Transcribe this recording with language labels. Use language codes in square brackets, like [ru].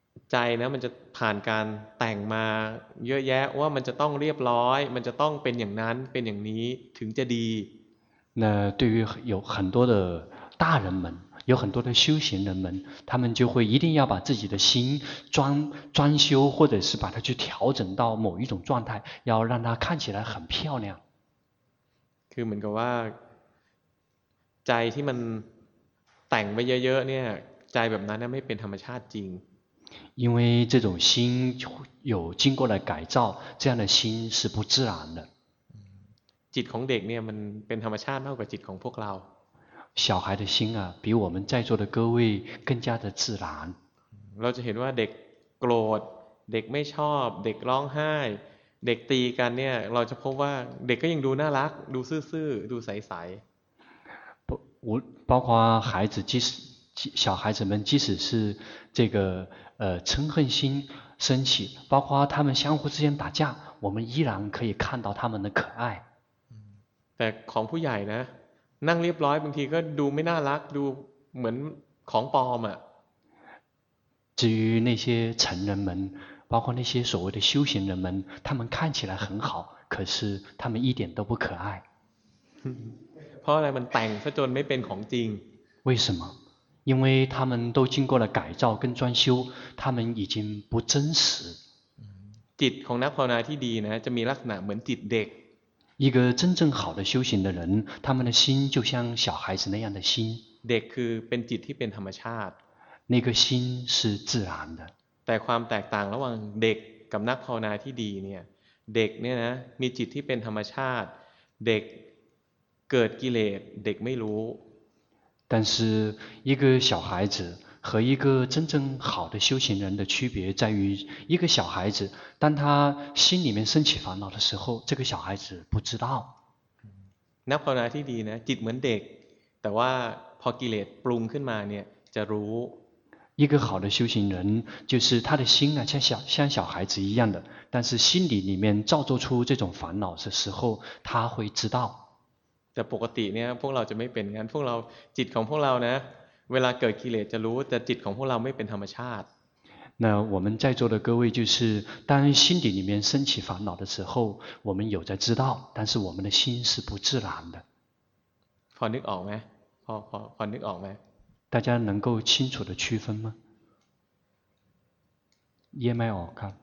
[th] ใจนะมันจะผ่านการแต่งมาเยอะแยะว่ามันจะต้องเรียบร้อยมันจะต้องเป็นอย่างนั้นเป็นอย่างนี้ถึงจะดี [zh] 那对于有很多的大人们有很多的修行人们他们就会一定要把自己的心 装修或者是把它去调整到某一种状态要让它看起来很漂亮 [th] คือเหมือนกับว่าใจที่มันแต่งไปเยอะๆเนี่ยใจแบบนั้นไม่เป็นธรรมชาติจริง [zh] 因为这种心有经过了改造这样的心是不自然的 [th] จิตของเด็กเนี่ยมันเป็นธรรมชาติมากกว่าจิตของพวกเรา [zh] 小孩的心啊比我们在座的各位更加的自然 [th] เราจะเห็นว่าเด็กโกรธเด็กไม่ชอบเด็กร้องไห้เด็กตีกันเนี่ยเราจะพบว่าเด็กก็ยังดูน่ารักดูซื่อๆดูใส [zh] ๆ包括孩子即使小孩子们即使是这个嗔恨心升起包括他们相互之间打架我们依然可以看到他们的可爱 [th] แต่ของผู้ใหญ่นะนั่งเรียบร้อยบางทีก็ดูไม่น่ารักดูเหมือนของปลอมอ่ะ [zh] 至于那些成人们包括那些所谓的修行人们他们看起来很好可是他们一点都不可爱 [th] เพราะอะไรมันแต่งซะจนไม่เป็นของจริง [zh] 为什么因为他们都经过了改造跟装修他们已经不真实 [th] จิตของนักภาวนาที่ดีนะจะมีลักษณะเหมือนจิตเด็ก [zh] 一个真正好的修行的人他们的心就像小孩子那样的心 [th] เด็กคือเป็นจิตที่เป็นธรรมชาติ [zh] 那个心是自然的 [th] แต่ความแตกต่างระหว่างเด็กกับนักภาวนาที่ดีเนี่ยเด็กเนี่ยนะมีจิตที่เป็นธรรมชาติเด็กเกิดกิเลสเด็กไม่รู้ [zh] 但是一个小孩子和一个真正好的修行人的区别在于一个小孩子当他心里面升起烦恼的时候这个小孩子不知道 [th] นักภาวนาที่ดีนะจิตเหมือนเด็กแต่ว่าพอกิเลสปรุงขึ้นมาเนี่ยจะรู้ [zh] 一个好的修行人就是他的心啊像小孩子一样的但是心里面造作出这种烦恼的时候他会知道 [th] แต่ปกติเนี่ยพวกเราจะไม่เป็นงั้นพวกเราจิตของพวกเรานะเวลาเกิดกิเลสจะรู้แต่จิตของพวกเราไม่เป็นธรรมชาติ [zh] 那我们在座的各位就是当心底里面升起烦恼的时候我们有在知道但是我们的心是不自然的 [th] พอนึกออกไหมพอนึกออกไหม [zh] 大家能够清楚的区分吗 [th] แยกไม่ออกครับ